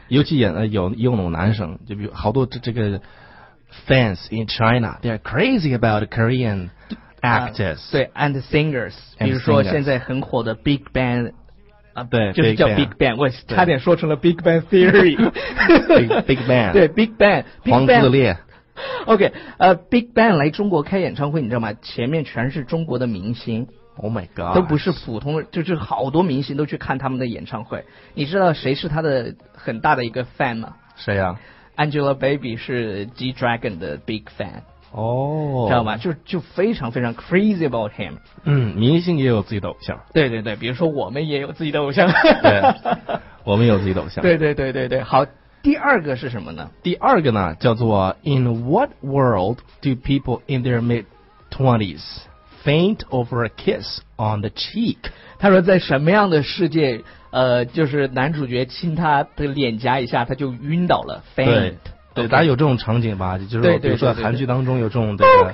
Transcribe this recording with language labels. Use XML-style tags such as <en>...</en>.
<zh>尤其演有那种男生，就比如好多这个</zh> <en>fans in China they are crazy about KoreanActors，</en> <zh>对 ，</zh> <en>and singers，</en> <zh>比如说现在很火的 Big Bang，对，就是叫 Big Bang， 我差点说成了 Big Bang Theory，</zh> <en>Big Bang，</en> <zh>对 ，Big Bang，黄自烈，OK， Big Bang 来中国开演唱会，你知道吗？前面全是中国的明星</zh> <en>，Oh my God，</en> <zh>都不是普通，就是好多明星都去看他们的演唱会。你知道谁是他的很大的一个 fan 吗？谁呀、？Angelababy 是 G Dragon 的</zh> <en>big fan。</en> <zh>哦、知道吗？就非常非常</zh> <en>crazy about him。</en> <zh>嗯，明星也有自己的偶像。对对对，比如说我们也有自己的偶像。对，我们有自己的偶像。对对对对对，好，第二个是什么呢？第二个呢，叫做</zh> <en>In what world do people in their mid-20s faint over a kiss on the cheek？</en> <zh>他说在什么样的世界，就是男主角亲他的脸颊一下，他就晕倒了 ，faint。对，大家有这种场景吧？就是比如说韩剧当中有这种的，</zh>